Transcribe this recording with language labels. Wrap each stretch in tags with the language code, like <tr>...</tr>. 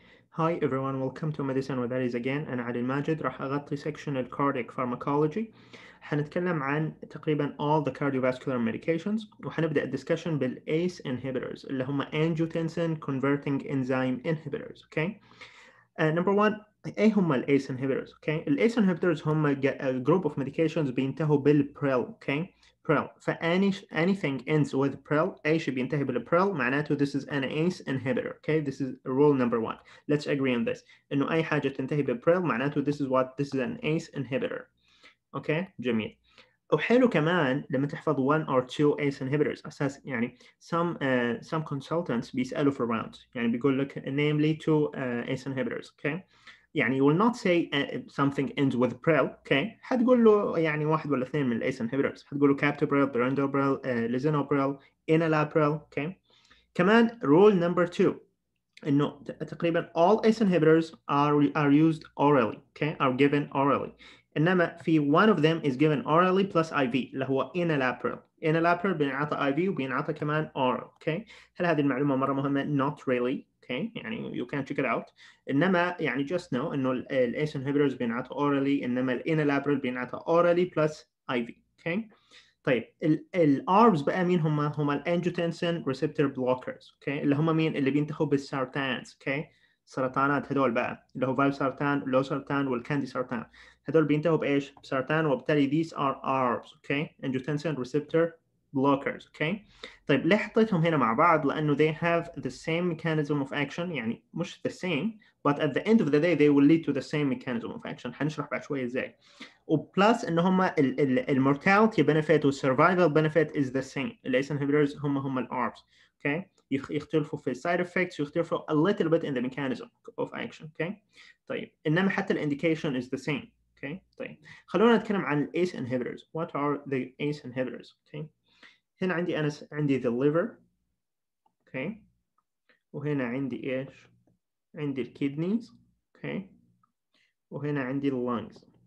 <en>Hi everyone, welcome to Medicine with Aries again.</en> <ar>أنا علي الماجد راح أغطي</ar> <en>section of cardiac pharmacology.</en> <ar>حنتكلم عن تقريبا</ar> <en>all the cardiovascular medications</en> <ar>وحنبدأ</ar> <en>discussion</en> <ar>بالACE</ar> <en>inhibitors</en> <ar>اللي هم</ar> <en>angiotensin converting enzyme inhibitors. Okay. Number one,</en> <ar>إيه هم</ar> <en>الACE inhibitors? Okay. الACE inhibitors هم a group of medications</en> <ar>بينتهوا بالPRIL.</ar> <en>Okay. PRIL. Anything ends with PRIL, A should be</en> <ar>ينتهي بالPRIL, معناته</ar> <en>this is an ACE inhibitor. Okay, this is rule number one. Let's agree on this.</en> <ar>إنه أي حاجة تنتهي بالPRIL, معناته</ar> <en>this is an ACE inhibitor.</en> <ar>Okay, جميل. وحلو كمان لما تحفظ</ar> <en>one or two ACE inhibitors.</en> <ar>أساس يعني</ar> <en>some consultants</en> <ar>بيسألوا</ar> <en>for rounds.</en> <ar>يعني بيقول لك</ar> <en>namely two ACE inhibitors. Okay. يعني you will not say something ends with pril, okay?</en> <ar>هتقول له يعني واحد ولا اثنين من الACE inhibitors. هتقول له captopril, berendopril, lisinopril, enalapril, okay? كمان</ar> <en>rule number two,</en> <ar>إنه تقريبا</ar> <en>all ACE inhibitors are used orally, okay? Are given orally.</en> <ar>إنما في</ar> <en>one of them is given orally plus IV,</en> <ar>اللي هو</ar> <en>enalapril. Enalapril</en> <ar>بينعطى</ar> <en>IV</en> <ar>وبينعطى كمان</ar> <en>oral, okay?</en> <ar>هل هذه المعلومة مرة مهمة؟</ar> <en>Not really. Okay, يعني you can check it out.</en> <ar>إنما يعني</ar> <en>just know</en> <ar>إنه ال</ar> <en>ACE inhibitors</en> <ar>بينعطى orally, إنما ال</ar> <en>enalapril بينعطى orally plus IV. Okay.</en> <ar>طيب ال ARBs بقى مين هما؟ هما ال</ar> <en>angiotensin receptor blockers.</en> <ar>Okay. اللي هما مين؟ اللي بينتهوا بالسرطانات. Okay. سرطانات هذول بقى. اللي هو valsartan, losartan, والcandisartan. هذول بينتهوا بإيش؟ بسرطان.</ar> <en>وبالتالي these are ARBs. Okay. Angiotensin receptor blockers, okay.</en> <ar>طيب ليه حطيتهم هنا مع بعض؟ لأنه</ar> <en>they have the same mechanism of action.</en> <ar>يعني مش</ar> <en>the same, but at the end of the day, they will lead to the same mechanism of action.</en> <ar>حنشرح بعد شوية إزاي.</ar> <en>وplus</en> <ar>إن هما ال</ar> <en>mortality benefit و survival benefit is the same. The ACE inhibitors</en> <ar>هما ال</ar> <en>ARBs, okay.</en> <ar>يختلفوا في</ar> <en>side effects, يختلفوا a little bit in the mechanism of action, okay.</en> <ar>طيب إنما حتى ال</ar> <en>indication is the same, okay.</en> <ar>طيب خلونا نتكلم عن ال ACE inhibitors.</ar> <en>What are the ACE inhibitors, okay?</en> <ar>هنا عندي أنا عندي</ar> <en>the liver, okay,</en> <ar>وهنا عندي إيش؟ عندي</ar> <en>the kidneys, okay,</en> <ar>وهنا عندي</ar> <en>the lungs.</en>